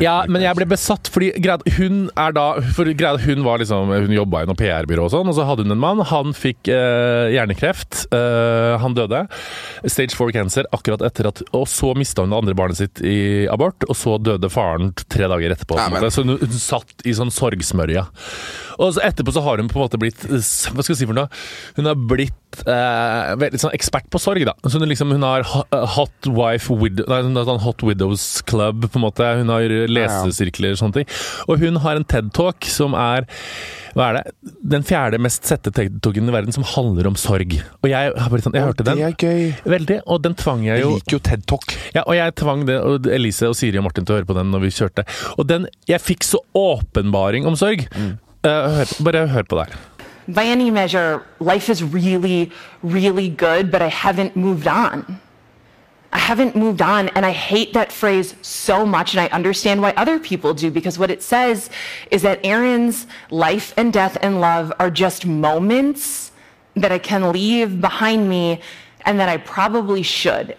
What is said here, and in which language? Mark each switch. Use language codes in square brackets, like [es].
[no] Ja, men jeg ble besatt fordi hun da, for Greta, hun var liksom, hun jobbet i noen PR-byrå og sånn, og så hadde hun en mann, han fikk hjernekreft, han døde, [en] stage 4 cancer, [no] akkurat etter at, og så mistet hun det andre barnet sitt i abort, og så døde faren 3 dager etterpå, så hun satt i sånn sorgsmørja. Og så etterpå så har hun på en måte blitt, hva skal jeg si for noe? Hun har blitt veldig sånn ekspert på sorg da. Så hun liksom, hun har [en] hot wife widow, [no] nei, hun har sånn [en] hot widows club [no] på en måte. Hun har lesesirkler og sånne ting. Og hun har en TED-talk som hva det? Den fjerde mest sette TED-talken i verden som handler om sorg. Og jeg har blitt sånn, jeg hørte den. Det gøy. Veldig, og den tvang jeg jo. Jeg liker jo TED-talk. Ja, og jeg tvang det, og Elise og Siri og Martin til å høre på den når vi kjørte. Og den, jeg fikk så åpenbaring om sorg. Bare hør på det. [en] By any measure, life is really, really good, but I haven't moved on. I haven't moved on, and I hate that phrase so much, and I understand why other people do, because what it says is that Aaron's life and death and love are just moments that I can leave behind me and that I probably should.